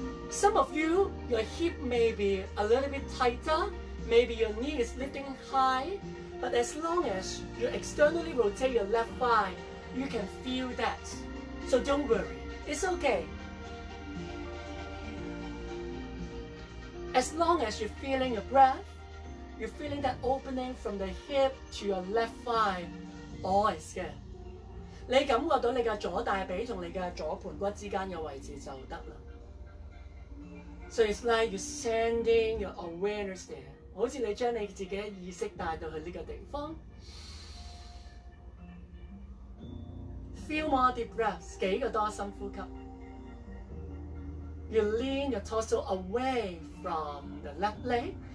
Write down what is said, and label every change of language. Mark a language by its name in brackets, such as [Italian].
[English] Some of you, your hip may be a little bit tighter, maybe your knee is lifting high, but as long as you externally rotate your left thigh, you can feel that. So don't worry, it's okay. As long as you're feeling your breath, you're feeling that opening from the hip to your left thigh,All is good. [Cantonese] 你感覺到你嘅左大髀同你嘅左盤骨之間嘅位置就得啦。 [English] So it's like you're sending your awareness there. [Cantonese] 好似你將你自己嘅意識帶到去呢個地方。 [English] Feel more deep breaths, [Cantonese] 幾個多深呼吸。 [English] You lean your torso away from the left leg.